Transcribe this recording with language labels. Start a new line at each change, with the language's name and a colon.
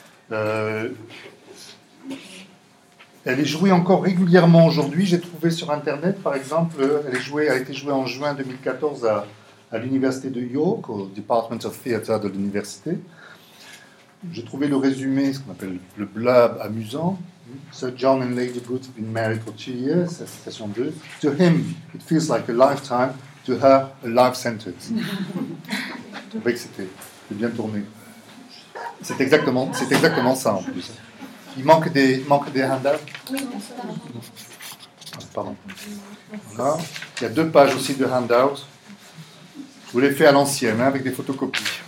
French: Elle est jouée encore régulièrement aujourd'hui. J'ai trouvé sur Internet, par exemple, elle a été jouée en juin 2014 à l'Université de York, au Department of Theatre de l'Université. J'ai trouvé le résumé, ce qu'on appelle le blab amusant.
English: Sir John and Lady Booth have been married for 2 years,
French: la citation 2.
English: To him, it feels like a lifetime. To her, a life sentence.
French: Je trouvais que c'était bien tourné. C'est exactement ça, en plus. Il manque des handouts. Oui, pardon. Voilà. Il y a deux pages aussi de handouts. Je vous l'ai fait à l'ancienne, hein, avec des photocopies.